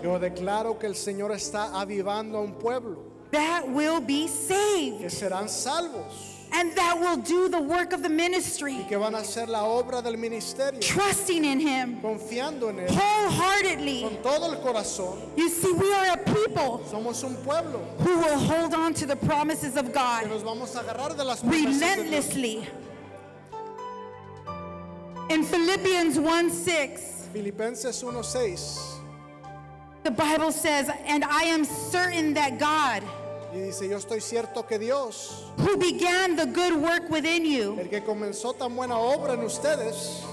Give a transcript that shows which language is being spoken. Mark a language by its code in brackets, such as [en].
[es] Yo declaro que el Señor está avivando a un pueblo. [en] That will be saved. [es] Que serán salvos. [en] And that will do the work of the ministry. [es] Y que van a hacer la obra del ministerio. [en] Trusting in him. [es] Confiando en él. [en] Wholeheartedly. [es] Con todo el corazón. [en] You see, we are a people. [es] Somos un pueblo. [en] Who will hold on to the promises of God. [es] Que nos vamos a agarrar de las promesas. [en] Relentlessly. In Philippians 1:6. [es] Filipenses 1:6. [en] The Bible says, and I am certain that God, [es] y dice, yo estoy cierto que Dios, [en] who began the good work within you, [es] el que comenzó tan buena obra en ustedes,